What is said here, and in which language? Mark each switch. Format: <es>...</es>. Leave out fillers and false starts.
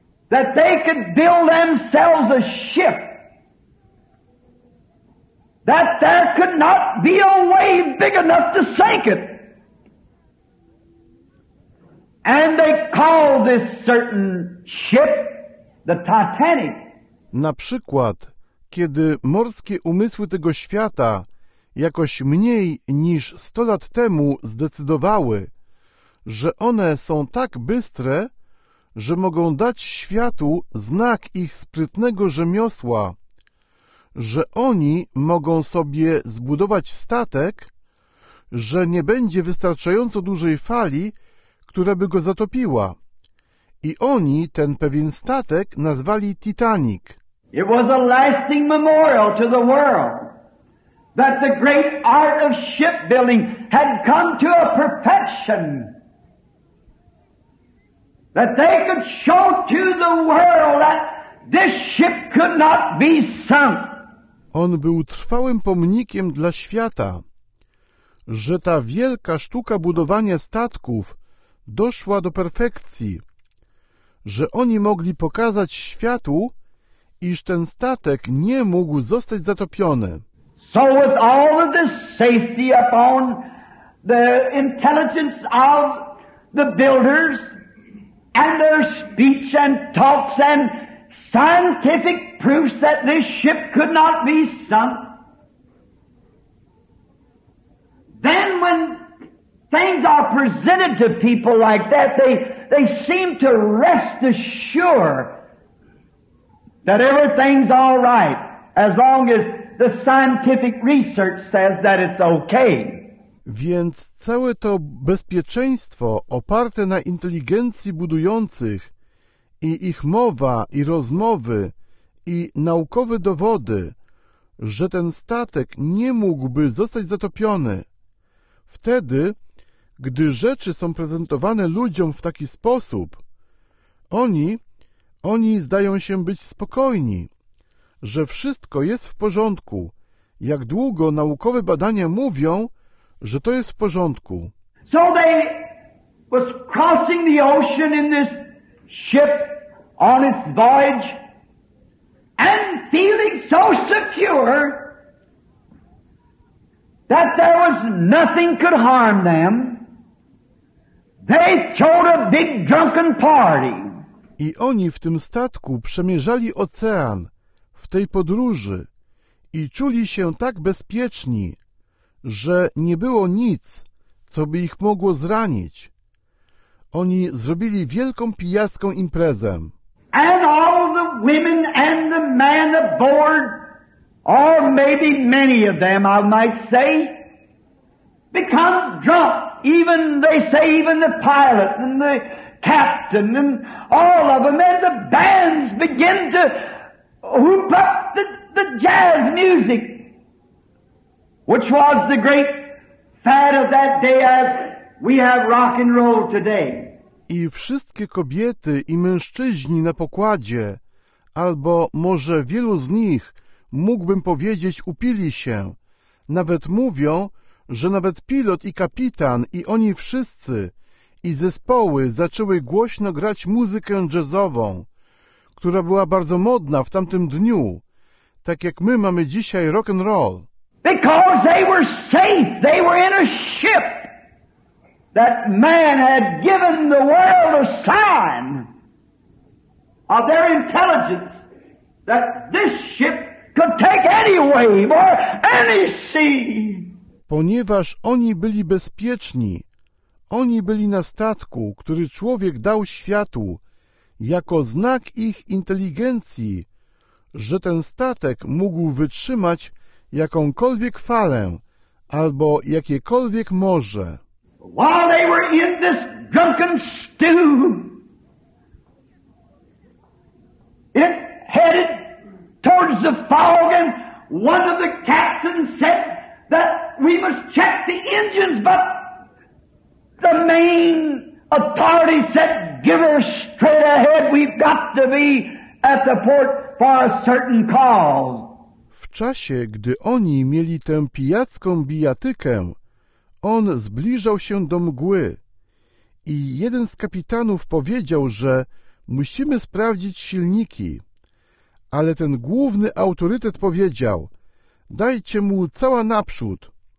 <en>that they could build themselves a ship, that there could not be a wave big enough to sink it. And they call this certain ship the Titanic.</en> <pl>Na przykład, kiedy morskie umysły tego świata jakoś mniej niż 100 lat temu zdecydowały, że one są tak bystre, że mogą dać światu znak ich sprytnego rzemiosła, że oni mogą sobie zbudować statek, że nie będzie wystarczająco dużej fali, która by go zatopiła. I oni ten pewien statek nazwali Titanic.</pl> <en>It was a lasting memorial to the world that the great art of shipbuilding had come to a perfection. That they could show to the world that this ship could not be sunk.</en> <pl>On był trwałym pomnikiem dla świata, że ta wielka sztuka budowania statków doszła do perfekcji, że oni mogli pokazać światu, iż ten statek nie mógł zostać zatopiony.</pl> <en>So with all of this safety upon the intelligence of the builders and their speech and talks and scientific proofs that this ship could not be sunk, then when things are presented to people like that, they seem to rest assured that everything's all right, as long as the scientific research says that it's okay.</en> <pl>Więc całe to bezpieczeństwo oparte na inteligencji budujących i ich mowa i rozmowy i naukowe dowody, że ten statek nie mógłby zostać zatopiony, wtedy Gdy rzeczy są prezentowane ludziom w taki sposób, oni zdają się być spokojni, że wszystko jest w porządku, jak długo naukowe badania mówią, że to jest w porządku.</pl> <en>So they was crossing the ocean in this ship on its voyage and feeling so secure that there was nothing could harm them. They throw a big drunken party.</en> <pl>I oni w tym statku przemierzali ocean w tej podróży i czuli się tak bezpieczni, że nie było nic, co by ich mogło zranić. Oni zrobili wielką pijacką imprezę.</pl> <en>And all the women and the men aboard, or maybe many of them, I might say, become drunk. Even they say even the pilot and the captain and all of them and the bands begin to whoop up the jazz music, which was the great fad of that day as we have rock and roll today.</en> <pl>I wszystkie kobiety i mężczyźni na pokładzie, albo może wielu z nich, mógłbym powiedzieć, upili się. Nawet mówią, że nawet pilot i kapitan i oni wszyscy i zespoły zaczęły głośno grać muzykę jazzową, która była bardzo modna w tamtym dniu, tak jak my mamy dzisiaj rock and roll.</pl> <en>Because they were safe, they were in a ship that man had given the world a sign of their intelligence that this ship could take any wave or any sea.</en> <pl>Ponieważ oni byli bezpieczni, oni byli na statku, który człowiek dał światu jako znak ich inteligencji, że ten statek mógł wytrzymać jakąkolwiek falę albo jakiekolwiek morze.</pl> <en>While they were in this drunken stew, it headed towards the fog and one of the captains said that we must check the engines, but the main authority said, give her straight ahead, we've got to be at the port for a certain call.</en> <pl>W czasie, gdy oni mieli tę pijacką bijatykę, on zbliżał się do mgły i jeden z kapitanów powiedział, że musimy sprawdzić silniki, ale ten główny autorytet powiedział, dajcie mu cała naprzód.</pl>